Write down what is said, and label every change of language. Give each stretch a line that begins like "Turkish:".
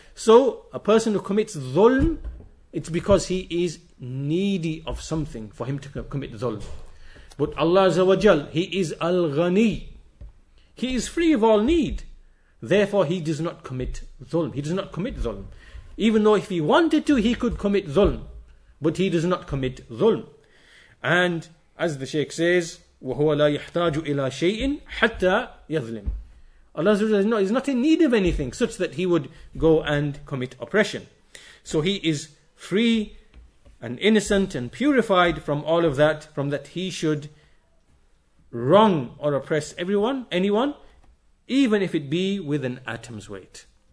English: So, a person who commits dhulm, it's because he is needy of something for him to commit dhulm. But Allah Azza wa Jal, he is al-ghani. He is free of all need. Therefore, he does not commit dhulm. He does not commit dhulm. Even though if he wanted to, he could commit dhulm. But he does not commit dhulm. And as the Shaykh says,
Arabic: وَهُوَ لَا يَحْتَاجُ إِلَىٰ شَيْءٍ حَتَّى يَظْلِمْ.
English: Allah is not in need of anything such that he would go and commit oppression. So he is free and innocent and purified from all of that, from that he should wrong or oppress everyone, anyone, even if it be with an atom's weight.